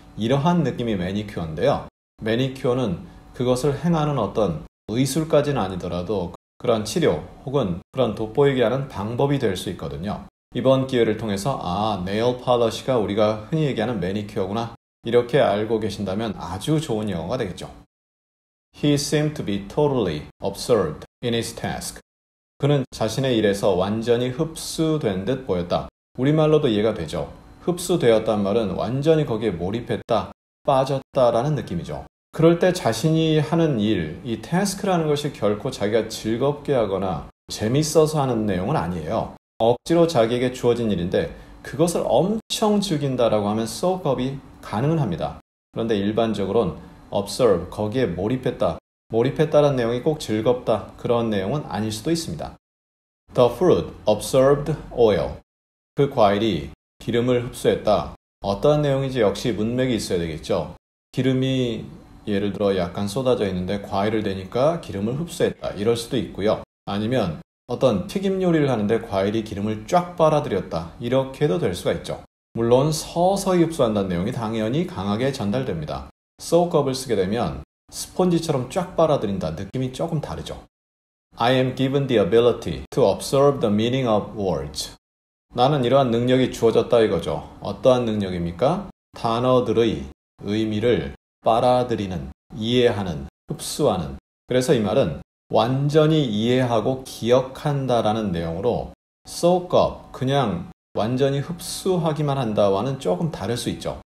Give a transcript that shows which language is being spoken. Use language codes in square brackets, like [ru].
[ko] 이러한 느낌이 매니큐어인데요. 매니큐어는 그것을 행하는 어떤 의술까지는 아니더라도 그런 치료 혹은 그런 돋보이게 하는 방법이 될 수 있거든요. 이번 기회를 통해서 아, 네일 팔러시가 우리가 흔히 얘기하는 매니큐어구나, 이렇게 알고 계신다면 아주 좋은 영어가 되겠죠. [en] He seemed to be totally absorbed in his task. [ko] 그는 자신의 일에서 완전히 흡수된 듯 보였다. 우리말로도 이해가 되죠. 흡수되었단 말은 완전히 거기에 몰입했다, 빠졌다라는 느낌이죠. 그럴 때 자신이 하는 일, 이 task라는 것이 결코 자기가 즐겁게 하거나 재밌어서 하는 내용은 아니에요. 억지로 자기에게 주어진 일인데 그것을 엄청 즐긴다라고 하면 soak up이 가능합니다. 그런데 일반적으로는 observe, 거기에 몰입했다, 몰입했다라는 내용이 꼭 즐겁다, 그런 내용은 아닐 수도 있습니다. [en] The fruit absorbed oil. [ko] 그 과일이 기름을 흡수했다. 어떤 내용인지 역시 문맥이 있어야 되겠죠. 기름이 예를 들어 약간 쏟아져 있는데 과일을 대니까 기름을 흡수했다, 이럴 수도 있고요. 아니면 어떤 튀김 요리를 하는데 과일이 기름을 쫙 빨아들였다, 이렇게도 될 수가 있죠. 물론 서서히 흡수한다는 내용이 당연히 강하게 전달됩니다. Soak up을 쓰게 되면 스펀지처럼 쫙 빨아들인다는 느낌이 조금 다르죠. [en] I am given the ability to absorb the meaning of words. [ko] 나는 이러한 능력이 주어졌다 이거죠. 어떠한 능력입니까? 단어들의 의미를 빨아들이는, 이해하는, 흡수하는. 그래서 이 말은 완전히 이해하고 기억한다라는 내용으로 soak up, 그냥 완전히 흡수하기만 한다와는 조금 다를 수 있죠.